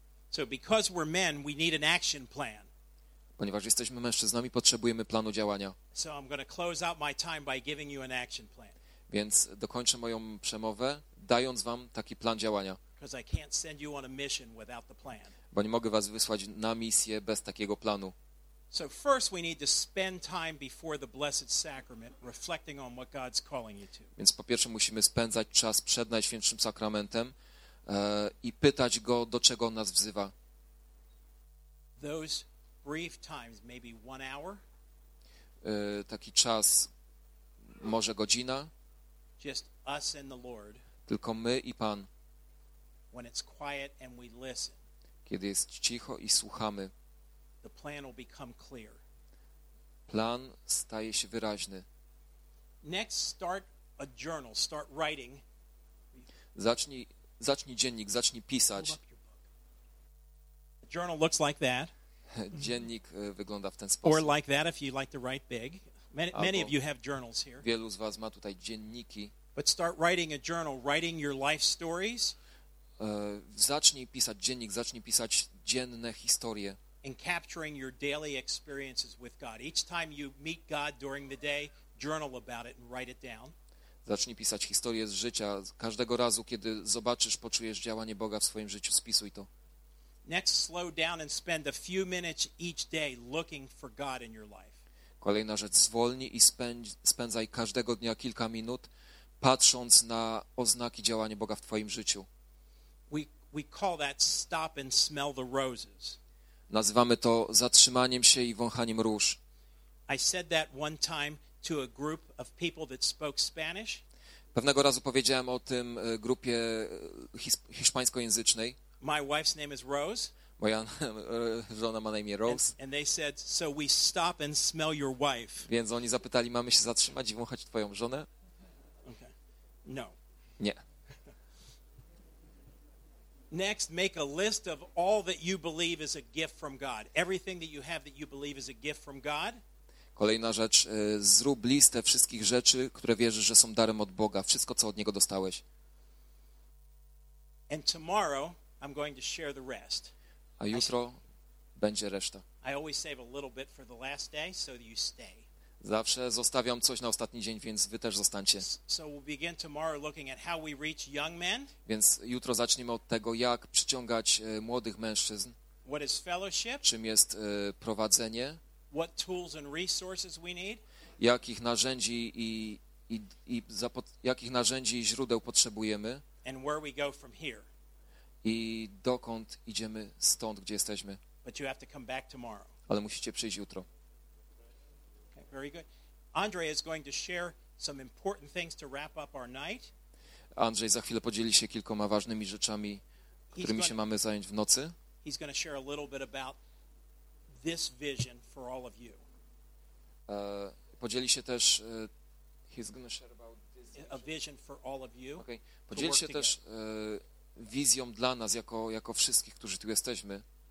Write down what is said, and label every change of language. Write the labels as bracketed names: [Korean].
[English] So because we're men, we need an action plan. [Polish] Ponieważ jesteśmy mężczyznami, potrzebujemy planu działania. [English] So I'm going to close out my time by giving you an action plan. [Polish] Więc dokończę moją przemowę, dając wam taki plan działania. [English] Because I can't send you on a mission without the plan. [Polish] Bo nie mogę was wysłać na misję bez takiego planu. [English] So first we need to spend time before the Blessed Sacrament reflecting on what God's calling you to. [Polish] Więc po pierwsze musimy spędzać czas przed Najświętszym Sakramentem i pytać Go, do czego On nas wzywa. [English] Those brief times, maybe one hour. [Polish] Taki czas, może godzina. [English] Just us and the Lord. [Polish] Tylko my i Pan. [English] When it's quiet and we listen. [Polish] Kiedy jest cicho i słuchamy. [English] The plan will become clear. [Polish] Plan staje się wyraźny. [English] Next, start a journal, start writing. [Polish] Zacznij dziennik, zacznij pisać. [English] A journal looks like that. [Polish] Dziennik wygląda w ten sposób. [English] Or like that if you like to write big. Many of you have journals here. [Polish] Wielu z was ma tutaj dzienniki. [English] But start writing a journal, writing your life stories. [Polish] Zacznij pisać dziennik, zacznij pisać dzienne historie. [English] and capturing your daily experiences with God. Each time you meet God during the day, journal about it and write it down. [Polish] Zacznij pisać historię z życia. Każdego razu, kiedy zobaczysz, poczujesz działanie Boga w swoim życiu, spisuj to. [English] Next, slow down and spend a few minutes each day looking for God in your life. [Polish] Kolejna rzecz, zwolnij i spędzaj każdego dnia kilka minut, patrząc na oznaki działania Boga w twoim życiu. [English] We call that stop and smell the roses. [Polish] Nazywamy to zatrzymaniem się i wąchaniem róż. [English] I said that one time to a group of people that spoke Spanish. [Polish] Pewnego razu powiedziałem o tym grupie hiszpańskojęzycznej. [English] My wife's name is Rose. [Polish] Moja żona ma na imię Rose. [English] And they said, so we stop and smell your wife. [Polish] Więc oni zapytali, mamy się zatrzymać i wąchać twoją żonę? [English] Okay. No. [Polish] Nie. [English] Next, make a list of all that you believe is a gift from God. Everything that you have that you believe is a gift from God. [Polish] Kolejna rzecz, zrób listę wszystkich rzeczy, które wierzysz, że są darem od Boga, wszystko co od niego dostałeś. [English] And tomorrow I'm going to share the rest. [Polish] A jutro będzie reszta. [English] I always save a little bit for the last day so that you stay. [Polish] Zawsze zostawiam coś na ostatni dzień, więc wy też zostańcie. [English] So we'll begin tomorrow looking at how we reach young men. [Polish] Więc jutro zaczniemy od tego, jak przyciągać młodych mężczyzn. [English] What is fellowship? [Polish] Czym jest prowadzenie? [English] What tools and resources we need? [Polish] Jakich narzędzi jakich narzędzi i źródeł potrzebujemy? [English] And where we go from here. [Polish] I dokąd idziemy stąd, gdzie jesteśmy. [English] But you have to come back tomorrow. [Polish] Ale musicie przyjść jutro. [English] Very good. Andrzej is going to share some important things to wrap up our night. [Polish] Andrzej za chwilę podzieli się kilkoma ważnymi rzeczami, którymi się mamy zająć w nocy. [English] He's going to share a little bit about this vision for all of you. [Polish] Podzieli się też [English] he's going to share about this vision. A vision for all of you. Okay. [Polish] Podzieli się też wizją dla nas jako wszystkich, którzy tu jesteśmy.